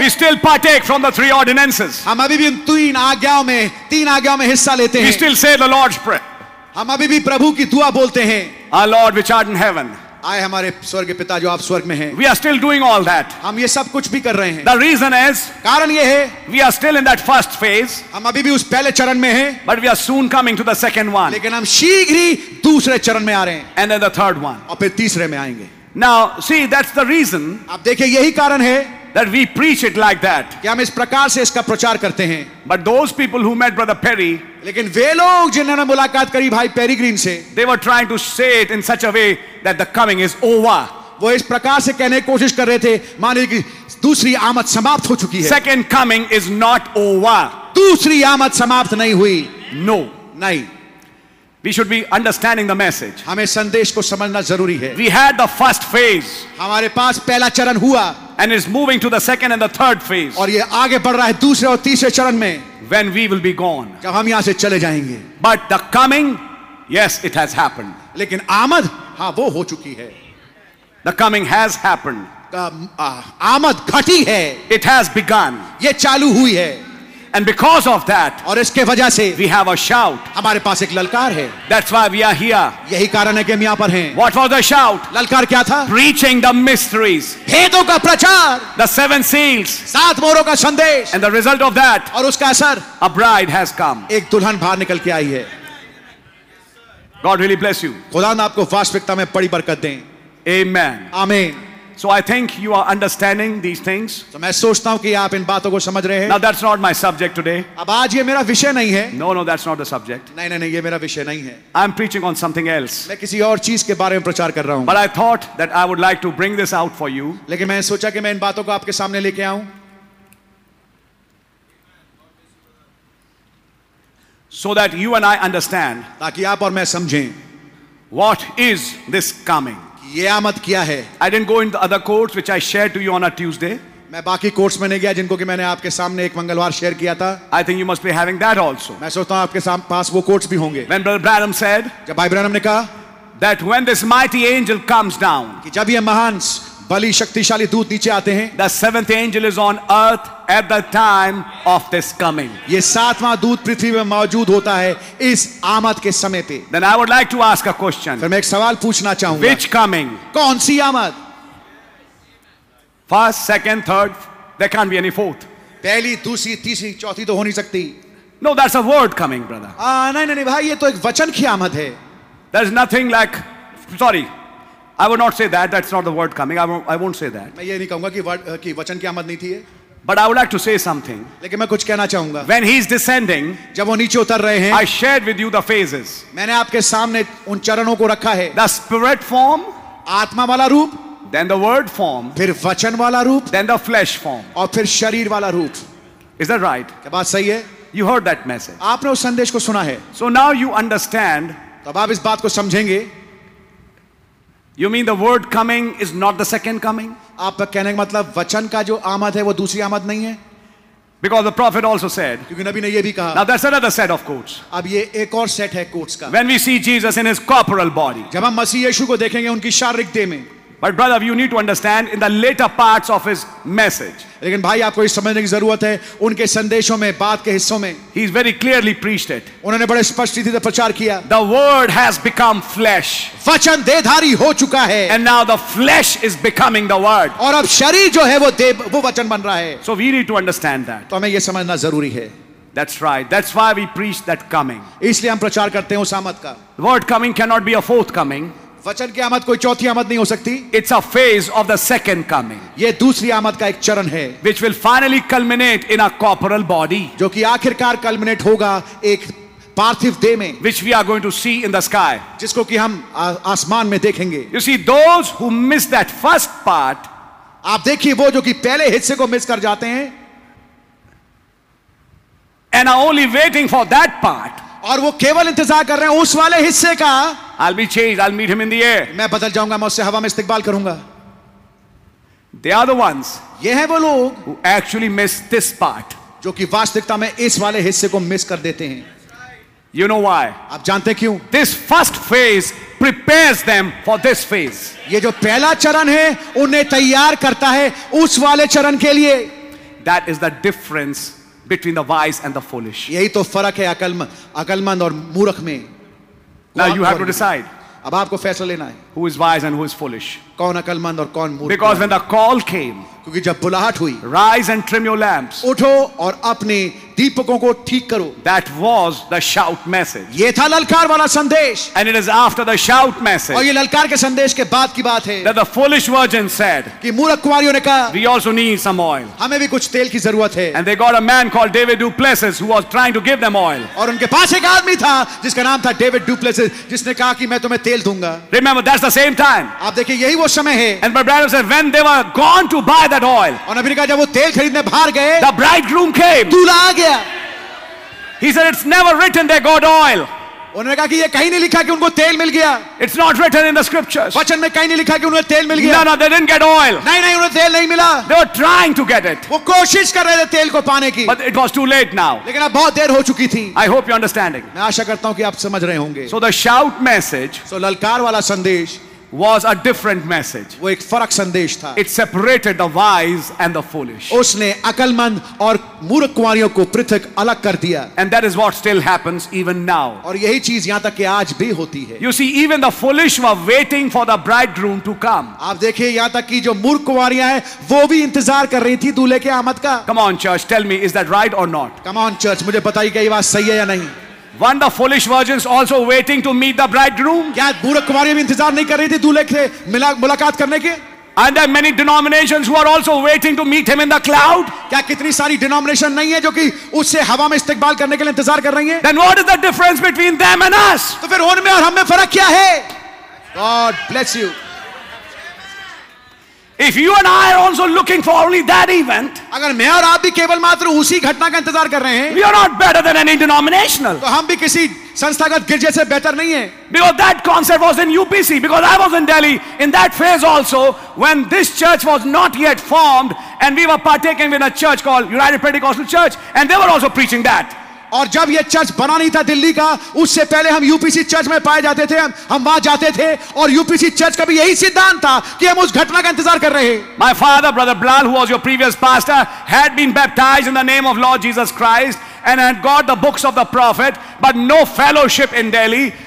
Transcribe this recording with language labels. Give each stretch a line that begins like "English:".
English: we still partake from the three ordinances.
Hindi: हम अभी भी तीन आज्ञाओं में हिस्सा लेते हैं.
English: We still say the Lord's prayer.
Hindi: हम अभी भी प्रभु की दुआ बोलते हैं.
English: Our Lord which art in heaven.
Hindi: आए हमारे स्वर्ग पिता जो आप स्वर्ग में हैं.
English: We are still doing all that.
Hindi: हम ये सब कुछ भी कर रहे हैं.
English: The reason is,
Hindi: कारण ये है,
English: we are still in that first phase.
Hindi: हम अभी भी उस पहले चरण में हैं.
English: But we are soon coming to the second one.
Hindi: लेकिन हम शीघ्र ही दूसरे चरण में आ रहे हैं.
English: And then the third one.
Hindi: और फिर तीसरे में आएंगे.
English: Now, see, that's the reason.
Hindi: आप देखिए यही कारण है.
English: That we preach it like that.
Hindi: कि हम इस प्रकार से इसका प्रचार करते हैं.
English: But those people who met Brother Perry.
Hindi: लेकिन वे लोग जिन्होंने मुलाकात करी भाई पेरी ग्रीन से,
English: they were trying to say it in such a way that the coming is over.
Hindi: वो इस प्रकार से कहने की कोशिश कर रहे थे, माने कि दूसरी आमद समाप्त हो चुकी है.
English: Second coming is not over.
Hindi: दूसरी आमद समाप्त नहीं हुई.
English: No,
Hindi: नहीं.
English: We should be understanding the message.
Hindi: हमें संदेश को समझना जरूरी है.
English: We had the first phase.
Hindi: हमारे पास पहला चरण हुआ.
English: And is moving to the second and the third phase.
Hindi: और ये आगे बढ़ रहा है दूसरे और तीसरे चरण में.
English: When we will be gone.
Hindi: जब हम यहाँ से चले जाएंगे.
English: But the coming, yes, it has happened.
Hindi: लेकिन आमद, हाँ, वो हो चुकी है.
English: The coming has happened.
Hindi: आमद घटी है.
English: It has begun.
Hindi: ये चालू हुई है.
English: And because of that,
Hindi: और इसके वजह से,
English: we have a shout.
Hindi: हमारे पास एक ललकार है.
English: That's why we are here.
Hindi: यही कारण है कि हम यहाँ पर हैं.
English: What was the shout?
Hindi: ललकार क्या था?
English: Preaching the mysteries.
Hindi: भेदों का प्रचार.
English: The seven seals.
Hindi: सात मोरों का संदेश.
English: And the result of that,
Hindi: और उसका असर,
English: a bride has come.
Hindi: एक दुल्हन बाहर निकल के आई है.
English: God really bless you.
Hindi: खुदा ने आपको वास्तविकता में बड़ी बरकत दे.
English: Amen. Amen. So I think you are understanding these things.
Hindi: So मैं सोचता हूँ कि आप इन बातों को समझ रहे हैं.
English: Now that's not my subject today.
Hindi: अब आज ये मेरा विषय नहीं है.
English: No, that's not the subject.
Hindi: नहीं, ये मेरा विषय नहीं है.
English: I'm preaching on something else.
Hindi: मैं किसी और चीज के बारे में प्रचार कर रहा हूँ.
English: But I thought that I would like to bring this out for you.
Hindi: लेकिन मैंने सोचा कि मैं इन बातों को आपके सामने लेके आऊँ.
English: So that you and I understand.
Hindi: ताकि आप और मैं समझें.
English: What is this coming?
Hindi: ये आमद किया है.
English: I didn't go into other courts which I shared to you on a Tuesday.
Hindi: मैं बाकी कोर्ट्स में नहीं गया जिनको कि मैंने आपके सामने एक मंगलवार शेयर किया था.
English: I think you must be having that also.
Hindi: मैं सोचता हूँ आपके पास वो कोर्ट्स भी होंगे.
English: When Brother Branham said,
Hindi: जब भाई ब्रैनम ने कहा,
English: that when this mighty angel comes down,
Hindi: कि जब ये महान बली शक्तिशाली दूत नीचे आते हैं,
English: the seventh angel is on earth at the time of this coming.
Hindi: ये सातवां दूत पृथ्वी में मौजूद होता है इस आमद के समय पे.
English: Then I would like to ask a question.
Hindi: फिर मैं एक सवाल पूछना चाहूंगा.
English: Which coming?
Hindi: कौन सी आमद?
English: First, second, third, there can't be any fourth.
Hindi: पहली, दूसरी, तीसरी, चौथी तो हो नहीं सकती.
English: No, that's a word coming, brother.
Hindi: नहीं भाई, ये तो एक वचन की आमद है.
English: There's nothing like, sorry. I would not say that. That's not the word coming. I won't say that.
Hindi: मैं ये नहीं कहूँगा कि word कि वचन की आमद नहीं थी ये.
English: But I would like to say something.
Hindi: लेकिन मैं कुछ कहना चाहूँगा.
English: When he is descending,
Hindi: जब वो नीचे उतर रहे हैं,
English: I shared with you the phases.
Hindi: मैंने आपके सामने उन चरणों को रखा है.
English: The spirit form,
Hindi: आत्मा वाला रूप.
English: Then the word form,
Hindi: फिर वचन वाला रूप.
English: Then the flesh form,
Hindi: और फिर शरीर वाला रूप.
English: Is that right?
Hindi: क्या बात सही है?
English: You heard that message.
Hindi: आपने उस संदेश को सुना है.
English: So now you understand.
Hindi: तब आप इस बात को समझेंगे.
English: You mean the word coming is not the second coming?
Hindi: आपका कहने का मतलब वचन का जो आमद है वो दूसरी आमद नहीं है?
English: Because the prophet also said.
Hindi: क्योंकि नबी ने ये भी कहा.
English: Now that's another set of quotes.
Hindi: अब ये एक और सेट है कोट्स का.
English: When we see Jesus in his corporal body.
Hindi: जब हम मसीह यीशु को देखेंगे उनकी शारीरिक देह में.
English: But brother, you need to understand in the later parts of his message.
Hindi: लेकिन भाई आपको ये समझने की जरूरत है उनके संदेशों में बात के हिस्सों में.
English: He is very clearly preached it.
Hindi: उन्होंने बड़े स्पष्ट रीति से प्रचार किया.
English: The word has become flesh.
Hindi: वचन देहधारी हो चुका है.
English: And now the flesh is becoming the word.
Hindi: और अब शरीर जो है वो वचन बन रहा है.
English: So we need to understand that.
Hindi: तो हमें ये समझना जरूरी है.
English: That's right. That's why we preach that coming.
Hindi: इसलिए हम प्रचार करते हैं उस आमद का.
English: The word coming cannot be a fourth coming.
Hindi: वचन की आमद कोई चौथी आमद नहीं हो सकती.
English: It's a phase of the second coming.
Hindi: ये दूसरी आमद का एक चरण है.
English: Which will finally culminate in a corporal body.
Hindi: जो कि आखिरकार कल्मिनेट होगा एक पार्थिव देह में.
English: Which we are going to see in the sky.
Hindi: जिसको कि हम आसमान में देखेंगे.
English: You see those who miss that first part.
Hindi: आप देखिए वो जो कि पहले हिस्से को मिस कर जाते हैं.
English: And are only waiting for that part.
Hindi: और वो केवल इंतजार कर रहे हैं उस वाले हिस्से का.
English: I'll be changed. I'll meet him in the air.
Hindi: मैं बदल जाऊंगा, मैं उससे हवा में इस्तकबाल करूंगा.
English: They are the ones.
Hindi: ये हैं वो लोग
English: who actually miss this part.
Hindi: जो कि वास्तविकता में इस वाले हिस्से को मिस कर देते हैं.
English: You know why?
Hindi: आप जानते क्यों?
English: This first phase prepares them for this phase.
Hindi: ये जो पहला चरण है उन्हें तैयार करता है उस वाले चरण के लिए.
English: That is the difference between the wise and the foolish.
Hindi: यही तो फर्क है अकलमंद और मूर्ख में.
English: Now you have to decide.
Hindi: अब आपको फैसला लेना है.
English: Who is wise and who is foolish?
Hindi: कौन अकलमंद और कौन मूर्ख?
English: Because when the call came,
Hindi: क्योंकि जब बुलाहट हुई,
English: rise and trim your lamps.
Hindi: उठो और अपने दीपकों को ठीक करो.
English: That was the shout message.
Hindi: ये था ललकार वाला संदेश.
English: And it is after the shout message.
Hindi: और ये ललकार के संदेश के बाद की बात है.
English: That the foolish virgin said.
Hindi: कि मूर्ख कुमारियों ने कहा.
English: We also need some oil.
Hindi: हमें भी कुछ तेल की जरूरत है.
English: And they got a man called David Duplessis who was trying to give them oil.
Hindi: और उनके पास एक आदमी था जिसका नाम था David Duplessis, जिसने कहा कि मैं तुम्हें तेल दूंगा.
English: Remember that's the same time.
Hindi: आप देखिए यही वो समय है.
English: And my brother said when they were gone to buy that oil.
Hindi: और नबी ने कहा जब वो तेल खरीदने बाहर गए.
English: The bridegroom came.
Hindi: दूल्हा
English: He said, "It's never written they got oil."
Hindi: उन्होंने कहा कि ये कहीं नहीं लिखा कि उनको तेल मिल गया.
English: It's not written in the scriptures.
Hindi: वचन में कहीं नहीं लिखा कि उन्हें तेल मिल गया.
English: No, they didn't get oil.
Hindi: नहीं नहीं उन्हें तेल नहीं मिला.
English: They were trying to get it.
Hindi: वो कोशिश कर रहे थे तेल को पाने की.
English: But it was too late now.
Hindi: लेकिन अब बहुत देर हो चुकी थी.
English: I hope you're understanding.
Hindi: मैं आशा करता हूँ कि आप समझ रहे होंगे.
English: So the shout message.
Hindi: So ललकार वाला संदेश.
English: Was a different message.
Hindi: वो एक फरक संदेश था.
English: It separated the wise and the foolish.
Hindi: उसने अकलमंद और मूर्ख कुमारियों को पृथक अलग कर दिया.
English: And that is what still happens even now.
Hindi: और यही चीज यहाँ तक कि आज भी होती है.
English: You see, even the foolish were waiting for the bridegroom to come.
Hindi: आप देखिए यहाँ तक कि जो मूर्ख कुमारियाँ हैं, वो भी इंतजार कर रही थी दूल्हे के आमद का.
English: Come on, church, tell me, is that right or not? Come on, church,
Hindi: मुझे बताइए क्या ये बात सही है या नहीं?
English: One the foolish virgins also waiting to meet the bridegroom.
Hindi: क्या बूढ़े कुमारियाँ भी इंतजार नहीं कर रही थी दूल्हे से मुलाकात करने के?
English: And there are many denominations who are also waiting to meet him in the cloud.
Hindi: क्या कितनी सारी denomination नहीं है जो कि उससे हवा में इस्तकबाल करने के लिए इंतजार कर रही हैं?
English: Then what is the difference between them and us?
Hindi: तो फिर उनमें और हम में फर्क क्या है?
English: God bless you. If you and I are also looking for only that event,
Hindi: अगर मैं और आप भी केवल मात्र उसी घटना का इंतजार कर रहे हैं,
English: we are not better than any denominational.
Hindi: तो हम भी किसी संस्थागत गिरजे से बेहतर नहीं है.
English: Because that concept was in UPC, because I was in Delhi in that phase also when this church was not yet formed and we were partaking in a church called United Pentecostal Church and they were also preaching that.
Hindi: और जब ये church बना नहीं था दिल्ली का, उससे पहले हम यूपीसी चर्च में पाए जाते थे. हम वहां जाते थे और यूपीसी चर्च का भी यही सिद्धांत था कि हम उस घटना का इंतजार कर रहे हैं.
English: My father brother Bilal who was your previous pastor had been baptised in the name of Lord Jesus Christ and had got the books of the prophet but no fellowship in Delhi.